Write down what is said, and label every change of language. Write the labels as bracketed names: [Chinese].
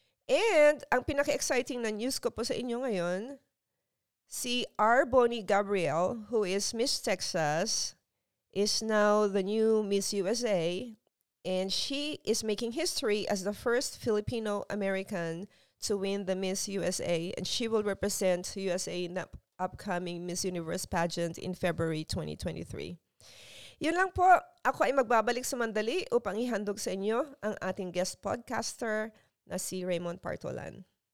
[Filipino] And ang pinaka-exciting na news ko po sa inyo ngayon, si R. [English] Bonnie Gabriel, who is Miss Texas, is now the new Miss USA, and she is making history as the first Filipino-American to win the Miss USA, and she will represent USA in the upcoming Miss Universe pageant in February 2023. [Filipino] Yun lang po. Ako ay magbabalik sumandali upang ihandog sa inyo ang ating guest podcaster na si Raymond Partolan.